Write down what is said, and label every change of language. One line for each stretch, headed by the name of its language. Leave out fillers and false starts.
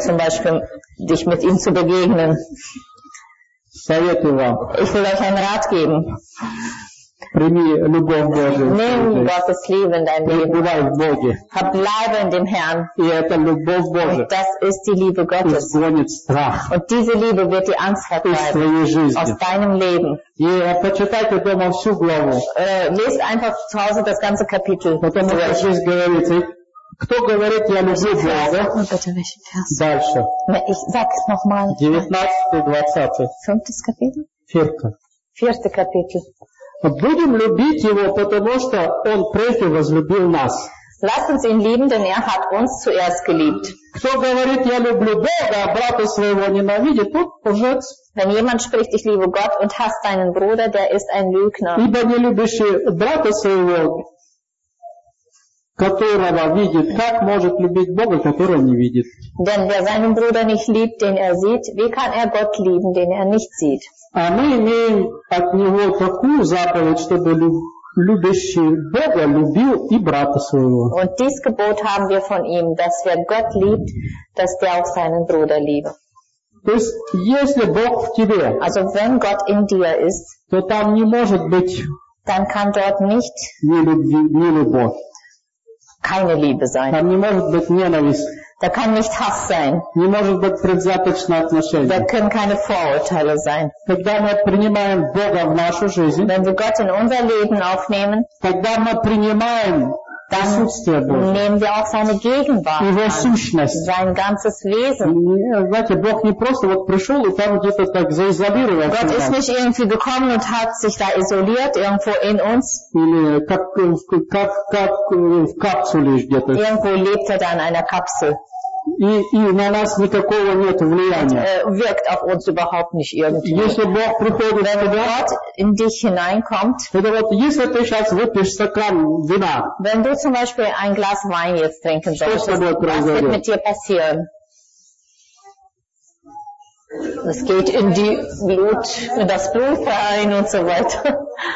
Russian: что я не боюсь, советую вам.
German: Ich will euch einen Rat geben.
Russian: Прими любовь Божию.
German: Nimm Gottes Liebe in dein Leben.
Russian: Пребывай в Боге.
German: Verbleibe in dem Herrn.
Russian: И это любовь Божия.
German: Und das ist die Liebe Gottes.
Russian: Изгонит страх.
German: Und diese Liebe wird die Angst vertreiben.
Russian: Из твоей жизни.
German: Aus deinem Leben.
Russian: И почитайте дома всю главу.
German: Lest einfach zu Hause das ganze Kapitel.
Russian: Потом как здесь говорится. Кто говорит, я люблю Бога? Дальше.
German: Ich sag's nochmal. 19-20. 5. Kapitel? 4. 4. Kapitel.
Russian: Будем любить его, потому что он прежде возлюбил нас.
German: Lasst uns ihn lieben, denn er hat uns zuerst geliebt.
Russian: Кто говорит, я люблю Бога, а брата своего ненавидит, тот лжец.
German: Wenn jemand spricht, ich liebe Gott und hasst deinen Bruder, der ist ein Lügner.
Russian: Ибо не любящий брата своего, которого видит, как может любить Бога, которого не видит?
German: Denn wer seinen Bruder nicht liebt, den er sieht, wie kann er Gott lieben, den er nicht sieht?
Russian: А мы имеем от него такую заповедь, чтобы любящий Бога любил и брата своего.
German: Und dies Gebot haben wir von ihm, dass wer Gott liebt, dass der auch seinen Bruder liebe.
Russian: То есть, если Бог в тебе,
German: also wenn Gott in dir ist,
Russian: то там не может быть,
German: dann kann dort nicht
Russian: не любовь.
German: Keine Liebe sein.
Russian: Там не может быть ненависть.
German: Da kann nicht Hass sein.
Russian: Не может быть предвзяточное отношение.
German: Da können keine Vorurteile sein.
Russian: Когда мы принимаем Бога в нашу жизнь,
German: wenn wir Gott in unser Leben aufnehmen,
Russian: когда мы принимаем присутствие Божие,
German: nehmen wir auch seine Gegenwart,
Russian: его сущность,
German: sein ganzes Wesen.
Russian: Знаете, Бог не просто вот пришел и там где-то так заизолировал.
German: Gott ist nicht irgendwie gekommen und hat sich da isoliert irgendwo in uns.
Russian: Или как в капсуле где-то.
German: Irgendwo lebt er da in einer Kapsel.
Russian: И на нас никакого нет влияния.
German: Wirkt auf uns überhaupt nicht irgendwie.
Russian: Если Бог приходит в тебя,
German: Gott in dich hineinkommt,
Russian: это вот, если ты сейчас выпьешь стакан вина,
German: wenn du zum Beispiel ein Glas Wein jetzt trinken solltest, was wird mit dir passieren? Es geht in die Blut, in das Blut rein und so weiter.